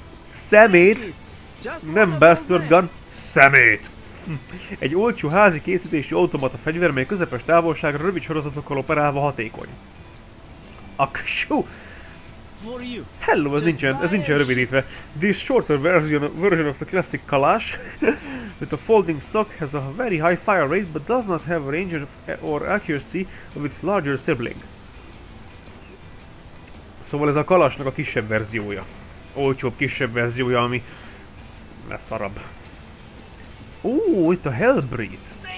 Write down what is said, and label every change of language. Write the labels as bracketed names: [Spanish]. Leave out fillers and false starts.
[Hungarian] Szemét! Nem bastard gun, szemét! Egy olcsó házi készítési automata fegyver, mely közepes távolságra rövid sorozatokkal operálva hatékony. Aksú! Hello, ez nincsen rövidítve. [English] This shorter version of the classic Kalash with a folding stock has a very high fire rate, but does not have a range of, or accuracy of its larger sibling. [Hungarian] Szóval ez a Kalashnak a kisebb verziója. Olcsóbb kisebb verziója, ami lesz szarabb. Ó, itt a Hellbreath!